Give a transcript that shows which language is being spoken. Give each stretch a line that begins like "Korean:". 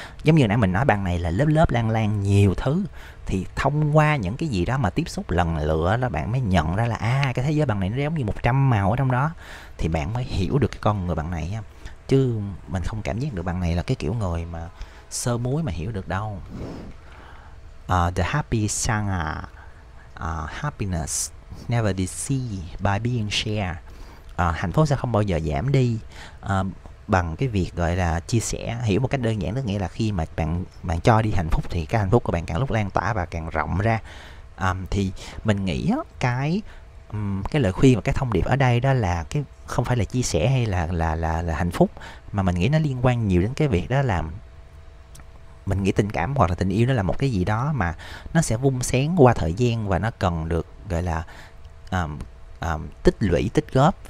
Vietnamese: Giống như nãy mình nói bạn này là lớp lớp lang lang nhiều thứ, thì thông qua những cái gì đó mà tiếp xúc lần lựa đó, bạn mới nhận ra là à, cái thế giới bạn này nó giống như 100 màu ở trong đó, thì bạn mới hiểu được cái con người bạn này á. Chứ mình không cảm giác được bạn này là cái kiểu người mà sơ muối mà hiểu được đâu.
English: The happy sangha, happiness never decease by being shared.
Vietnamese: Hạnh phúc sẽ không bao giờ giảm đi bằng cái việc gọi là chia sẻ. Hiểu một cách đơn giản, tức nghĩa là khi mà bạn cho đi hạnh phúc thì cái hạnh phúc của bạn càng lúc lan tỏa và càng rộng ra. Thì mình nghĩ cái lời khuyên và cái thông điệp ở đây đó là cái không phải là chia sẻ hay là hạnh phúc, mà mình nghĩ nó liên quan nhiều đến cái việc đó là mình nghĩ tình cảm hoặc là tình yêu nó là một cái gì đó mà nó sẽ vun xén qua thời gian, và nó cần được gọi là tích lũy, tích góp.